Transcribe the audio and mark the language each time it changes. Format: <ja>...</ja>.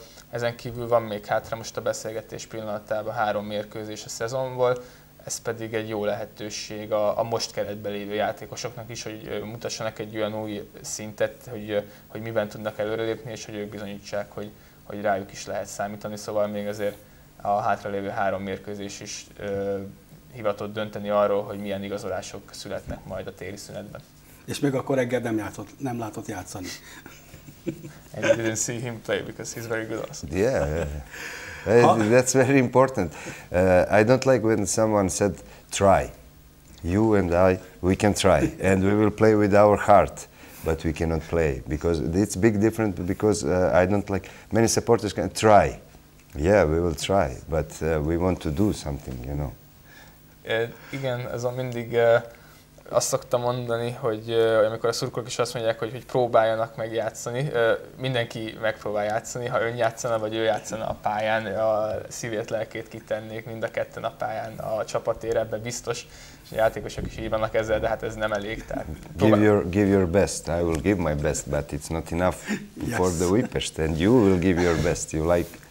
<hu>Ezen kívül van még hátra most a beszélgetés pillanatában 3 mérkőzés a szezonból, ez pedig egy jó lehetőség a most keretben lévő játékosoknak is, hogy mutassanak egy olyan új szintet, hogy miben tudnak előrelépni, és hogy ők bizonyítsák, hogy rájuk is lehet számítani. Szóval még azért a hátralévő 3 mérkőzés is hivatott dönteni arról, hogy milyen igazolások születnek majd a téli szünetben. És még akkor reggel nem látott játszani.</hu> <en>And you didn't see him play because he's very good also. That's very important. I don't like when someone said, try. You and I, we can try. And we will play with our heart. But we cannot play. Because it's big different because I don't like... Many supporters can try. Yeah, we will try. But we want to do something, you know.</en> <hu>Igen, ez a mindig... Azt szoktam mondani, hogy amikor a szurkolók is azt mondják, hogy próbáljanak megjátszani, mindenki megpróbál játszani, ha ön játszana, vagy ő játszana a pályán, a szívét, lelkét kitennék mind a ketten a pályán a csapatért, ebben biztos, a játékosok is így vannak ezzel, de hát ez nem elég.</hu> <en>Give your best, I will give my best, but it's not enough for the Újpest, and you will give your best, you like.</en>